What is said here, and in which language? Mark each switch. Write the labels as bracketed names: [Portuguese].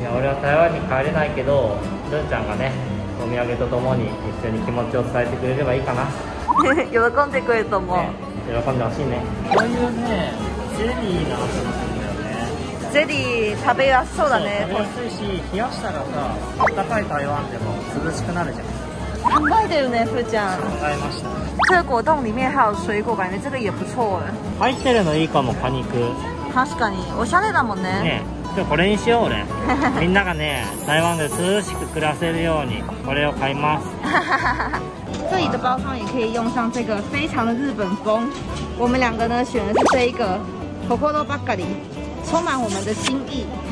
[Japanese] いや、俺は台湾に帰れないけど、ルンちゃんがね、お土産とともに一緒に気持ちを伝えてくれればいいかな。喜んでくれると思う。喜んでほしいね。こういうね、ゼリーなんかもするんだよね。ゼリー食べやすそうだね。食べやすいし、冷やしたらさ、暖かい台湾でも涼しくなるじゃん。考えてるね、ふーちゃん。考えました。 [Chinese] 这果冻里面还有水果，感觉这个也不错哎。 [Japanese] 入ってるのいいかも、果肉。確かに、おしゃれだもんね。ね、じゃこれにしよう俺。みんながね、台湾で涼しく暮らせるようにこれを買います。 [Chinese] 这里的包装也可以用上这个，非常的日本风。我们两个呢选的是这一个 ，Kokoro Bakari， 充满我们的心意。